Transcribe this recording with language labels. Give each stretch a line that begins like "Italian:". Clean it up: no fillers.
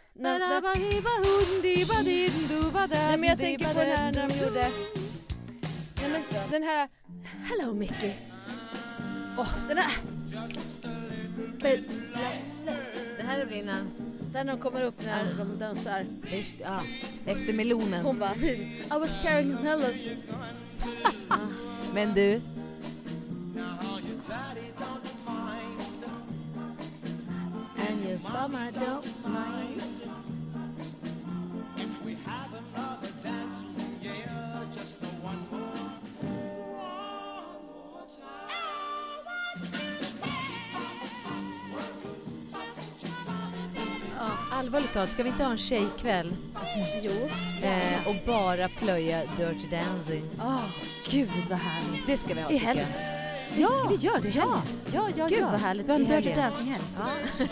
Swedish: Nej, men jag tänker på den här när de gjorde. Nej, men den här.
English: Hello Mickey.
Swedish: Åh, den här. Det här är vinnaren. Den när de kommer upp när de dansar. Just, ja. Efter melonen. Hon bara,
English: I was carrying melon.
Swedish: Men du.
English: And your mama don't mind. If we have another dance, yeah, just the one more time.
Swedish: Allvarligt talat, ska vi inte ha en tjejkväll? Jo. Och bara plöja Dirty Dancing. Åh, oh, gud vad härligt. Det ska vi ha, tycker jag. Ja, vi gör det. Ja, ja, ja. Gud ja. Vad härligt, vi har en Dirty Dancing här. Ja,